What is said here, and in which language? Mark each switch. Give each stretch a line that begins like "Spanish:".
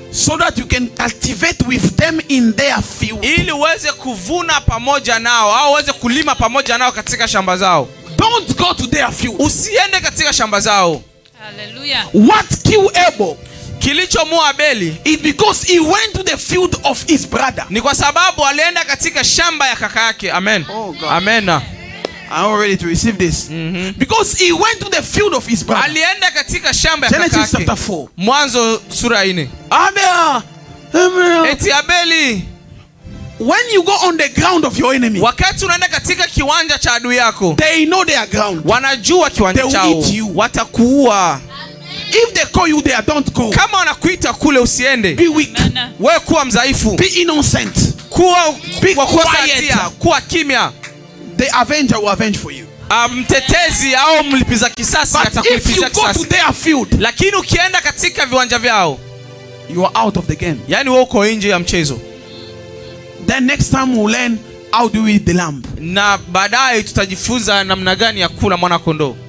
English: so that you can cultivate with them in their field.
Swahili: Ili uweze kuvuna pamoja nao, au uweze kulima pamoja nao katika shamba zao.
English: Don't go to their field.
Swahili: Usiende katika shamba zao.
English: Hallelujah. What kill Abel?
Swahili: Kilicho mua beli.
English: It's because he went to the field of his brother.
Swahili: Ni kwa sababu alienda katika shamba ya kaka yake.
English: Amen. Oh God. Amen. I'm ready to receive this. Mm-hmm. Because he went to the field of his brother. Alienda katika shamba ya kaka yake. Genesis chapter 4.
Swahili: Mwanzo sura ine.
English: Amen.
Swahili: Eti abeli.
English: When you go on the ground of your enemy,
Swahili: wakati unaenda katika kiwanja cha adui yako,
English: they know their ground.
Swahili: Wanajua kiwanja chao.
English: They will eat you.
Swahili: Watakuua.
English: If they call you there, don't go.
Swahili: Kama wanakuita kule usiende.
English: Be weak.
Swahili: Wewe kuwa mzaifu.
English: Be innocent.
Swahili: Kuwa
English: be quiet.
Swahili: Kuwa kimya.
English: The avenger will avenge for you.
Swahili: Mtetezi au mlipiza kisasi atakulipiza kisasi.
English: But if you go to their field.
Swahili: Lakini ukienda katika viwanja vyao.
English: You are out of the game.
Swahili: Yani wewe uko nje ya mchezo.
English: Then next time we'll learn how to eat the lamb.
Swahili: Na baadaye tutajifunza namna gani ya kula mwana kondoo.